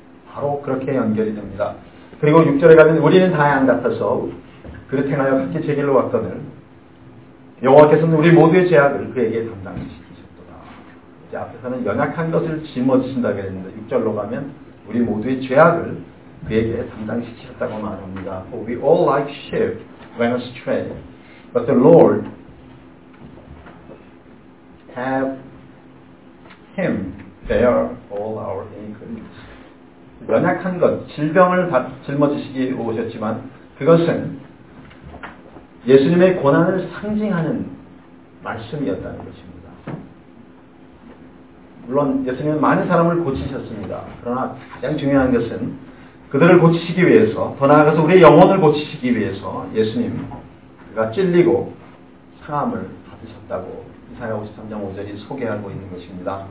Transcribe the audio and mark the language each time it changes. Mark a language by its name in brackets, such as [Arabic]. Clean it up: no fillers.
[Korean] 바로 그렇게 연결이 됩니다. 그리고 6절에 가면 우리는 다 양 같아서 그릇 행하여 함께 제 길로 왔거늘 여호와께서는 우리 모두의 죄악을 그에게 담당시키셨도다. 이제 앞에서는 연약한 것을 짊어지신다 그랬는데 6절로 가면 우리 모두의 죄악을 그에게 담당시키셨다고 말합니다. [English] For we all like sheep went astray. But the Lord have him bear all our iniquities. [Korean] 연약한 것, 질병을 짊어지시기 오셨지만 그것은 예수님의 고난을 상징하는 말씀이었다는 것입니다. 물론 예수님은 많은 사람을 고치셨습니다. 그러나 가장 중요한 것은 그들을 고치시기 위해서 더 나아가서 우리의 영혼을 고치시기 위해서 예수님, 그가 찔리고 상함을 받으셨다고 이사야 53장 5절이 소개하고 있는 것입니다.